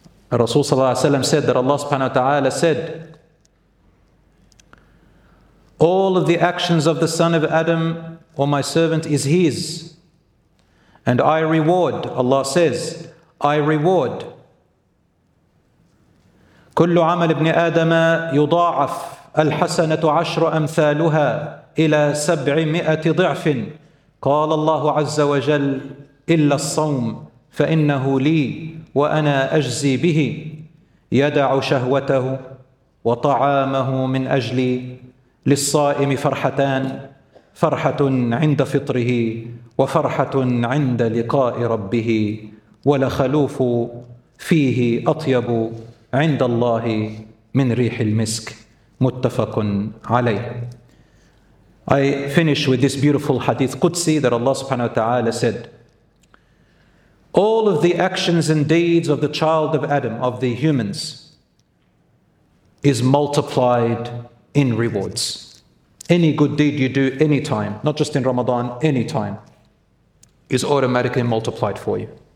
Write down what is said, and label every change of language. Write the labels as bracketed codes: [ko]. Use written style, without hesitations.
[en] Rasul sallallahu alayhi wa sallam said that Allah subhanahu wa ta'ala said, all of the actions of the son of Adam or my servant is his. And I reward, Allah says, I reward. [ar] كُلُّ عَمَلِ ابْنِ آدَمَ يُضَاعَفْ الْحَسَنَةُ عَشْرُ أَمْثَالُهَا إِلَى سَبْعِ مِئَةِ ضِعْفٍ قال الله عز وجل إلا الصوم فإنه لي وأنا أجزي به يدع شهوته وطعامه من أجلي للصائم فرحتان فرحة عند فطره وفرحة عند لقاء ربه ولخلوف فيه أطيب عند الله من ريح المسك متفق عليه. [en] I finish with this beautiful hadith Qudsi that Allah subhanahu wa ta'ala said, all of the actions and deeds of the child of Adam, of the humans, is multiplied in rewards. Any good deed you do anytime, not just in Ramadan, anytime, is automatically multiplied for you.